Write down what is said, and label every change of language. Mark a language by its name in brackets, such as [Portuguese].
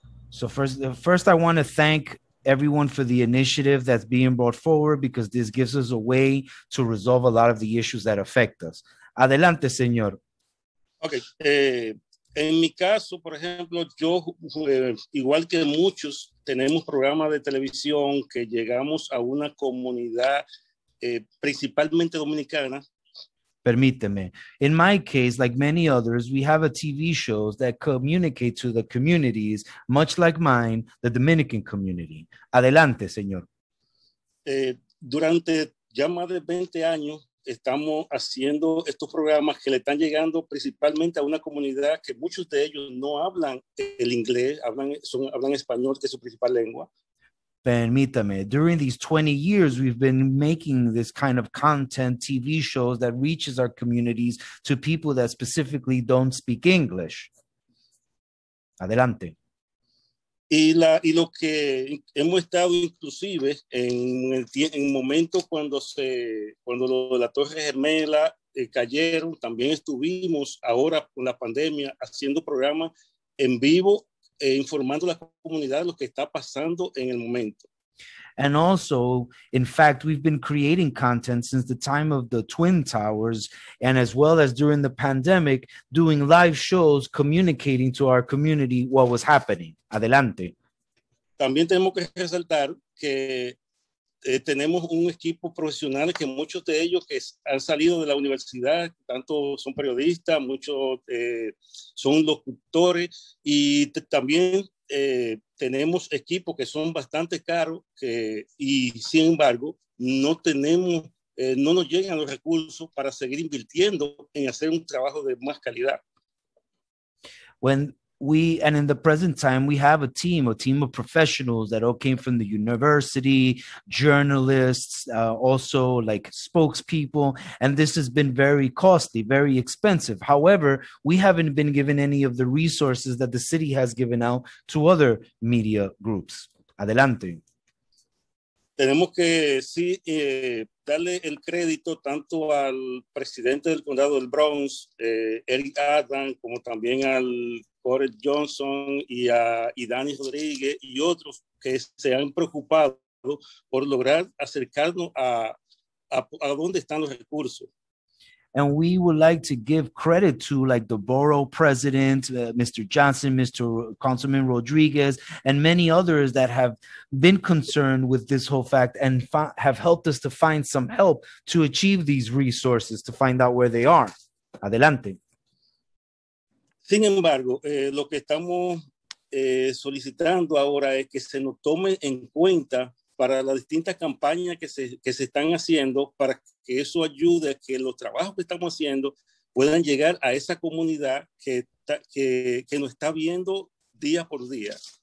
[English] So first I want to thank everyone for the initiative that's being brought forward, because this gives us a way to resolve a lot of the issues that affect us. [Spanish] Adelante, señor. Okay. En mi caso, por ejemplo, yo, igual que muchos, tenemos programas de televisión que llegamos a una comunidad principalmente dominicana. Permíteme. [English] In my case, like many others, we have a TV shows that communicate to the communities, much like mine, the Dominican community. [Spanish] Adelante, señor. Durante ya más de 20 años, estamos haciendo estos programas que le están llegando principalmente a una comunidad que muchos de ellos no hablan el inglés, hablan español, que es su principal lengua. [English] Permítame, during these 20 years, we've been making this kind of content, TV shows that reaches our communities to people that specifically don't speak English. [Spanish] Adelante. Y lo que hemos estado inclusive en momentos cuando las Torres Gemelas cayeron, también estuvimos ahora con la pandemia haciendo programas en vivo, informando la comunidad lo que está pasando en el momento. [English] And also, in fact, we've been creating content since the time of the Twin Towers, and as well as during the pandemic, doing live shows communicating to our community what was happening. [Spanish] Adelante. También tenemos que resaltar que tenemos un equipo profesional que muchos de ellos que han salido de la universidad, tanto son periodistas, muchos son locutores, y también tenemos equipos que son bastante caros y sin embargo no nos llegan los recursos para seguir invirtiendo en hacer un trabajo de más calidad. [English] And in the present time, we have a team of professionals that all came from the university, journalists, also like spokespeople. And this has been very costly, very expensive. However, we haven't been given any of the resources that the city has given out to other media groups. [Spanish] Adelante. Tenemos que sí, darle el crédito tanto al presidente del condado del Bronx, Eric Adams, como también al Corey Johnson y Dani Rodríguez y otros que se han preocupado por lograr acercarnos a dónde están los recursos. [English] And we would like to give credit to like the borough president, Mr. Johnson, Mr. Councilman Rodriguez, and many others that have been concerned with this whole fact and have helped us to find some help to achieve these resources, to find out where they are. [Spanish] Adelante. Sin embargo, lo que estamos solicitando ahora es que se nos tome en cuenta para las distintas campañas que se están haciendo, para que eso ayude a que los trabajos que estamos haciendo puedan llegar a esa comunidad que nos está viendo día por día.